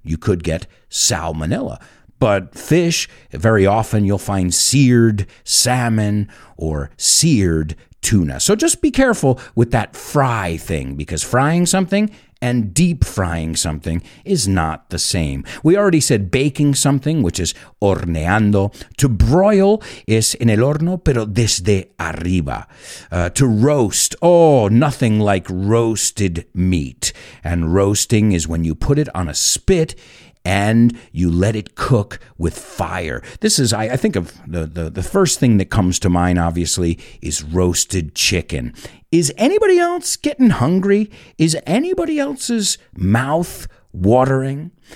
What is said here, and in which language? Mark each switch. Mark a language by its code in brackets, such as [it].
[en] You could get salmonella. But fish, very often you'll find seared salmon or seared tuna. So just be careful with that fry thing, because frying something and deep frying something is not the same. We already said baking something, which is horneando. To broil is [es] en el horno, pero desde arriba. [en] To roast, oh, nothing like roasted meat. And roasting is when you put it on a spit and you let it cook with fire. This is, I think of the first thing that comes to mind, obviously, is roasted chicken. Is anybody else getting hungry? Is anybody else's mouth watering?